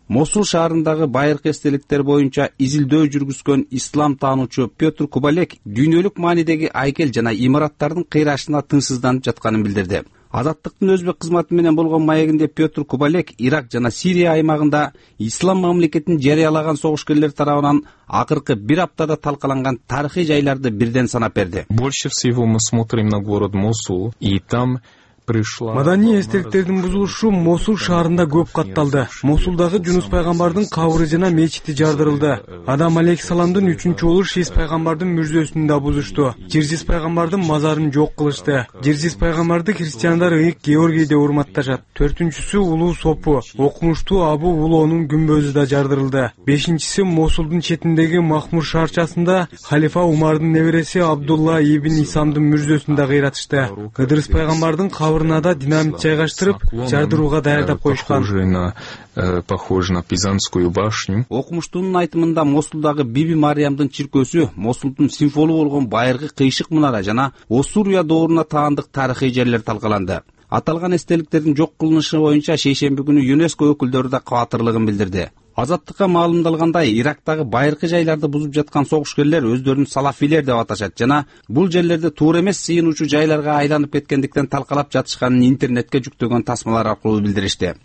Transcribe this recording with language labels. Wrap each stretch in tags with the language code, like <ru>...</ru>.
<ky>Мосул шаарындагы байыркы эстеликтер боюнча изилдөө жүргүзгөн ислам таануучу Петр Кубалек дүйнөлүк маанидеги айкел жана имараттардын кыйрашына тынчсызданып жатканын билдирди. Азаттыктын өзбек кызматы менен болгон маегинде Петр Кубалек Ирак жана Сирия аймагында ислам мамлекетин жарыялаган согушкерлер тарабынан акыркы бир аптада талкаланган тарыхый жайларды бирден санап берди.</ky> <ru>Больше всего мы смотрим на город Мосул и там</ru> <ky>Маданий эстеликтердин бузулушу Мосул шаарында көп катталды. Мосулдагы Жунус пайгамбардын кабыры жана мечити жардырылды. Адам алейхиссаламдын үчүнчү уулу Шиз пайгамбардын мүрзөсүн да бузушту. Жирзис пайгамбардын мазарын жок кылышты. Жирзис пайгамбарды христиандар ыйык Георгийде урматташат. Төртүнчүсү улуу сопу, окумуштуу Абу Улоонун күмбөзү да жардырылды. Бешинчиси Мосулдун четиндеги Махмур шаарчасында халифа Умардын небереси Абдулла ибн Исамдын мүрзөсүн да кыйратышты. Кыдырыс пайгамбардын кабырына да динамит жайгаштырып, жардырууга даярдап коюшкан.</ky> <ru>Похоже на Пизанскую башню.</ru> <ky>Окумуштуунун айтымында Мосулдагы Биби Мариямдын чиркөөсү Мосулдун символу болгон байыркы кыйшык мунара жана Оссурия дооруна таандык тарыхый жерлер талкаланды. Аталган эстеликтердин жок кылынышы боюнча шейшемби күнү ЮНЕСКО өкүлдөрү да кабатырлыгын билдирди. Азаттыкка маалымдалгандай, Ирактагы байыркы жайларды бузуп жаткан согушкерлер өздөрүн салафилер деп аташат жана бул жерлерде туура эмес сыйынуучу жайларга айланып кеткендиктен талкалап жатышканын интернетке жүктөгөн тасмалар аркылуу билдиришти.</ky>